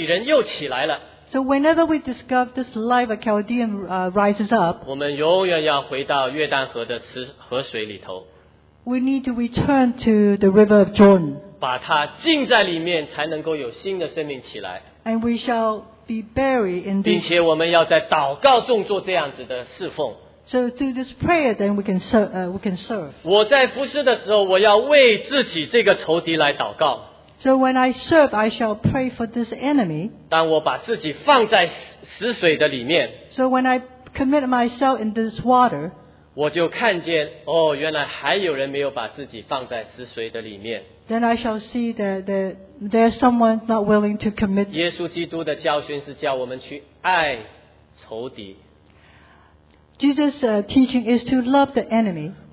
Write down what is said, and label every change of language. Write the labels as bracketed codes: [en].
[zh] 什么时候我们发现我们天然的加勒底人又起来了？ [en] So whenever we discover this life of Chaldean rises up, [zh] 我们永远要回到约旦河的池河水里头。 [en] We need to return to the river of Jordan. [zh] 把它浸在里面才能够有新的生命起来。 [en] And we shall be buried in this. [zh] 并且我们要在祷告中做这样子的侍奉。 [en] So through this prayer, then we can serve. [zh] 我在服侍的时候, 我要为自己这个仇敌来祷告。 [en] So when I serve, I shall pray for this enemy. [zh] 当我把自己放在死水的里面。 [en] So when I commit myself in this water, [zh] 我就看见, 哦, 原来还有人没有把自己放在死水的里面。 [en] Then I shall see that there's someone not willing to commit. [zh] 耶稣基督的教训是叫我们去爱仇敌。 [en] Jesus' teaching is to love the enemy.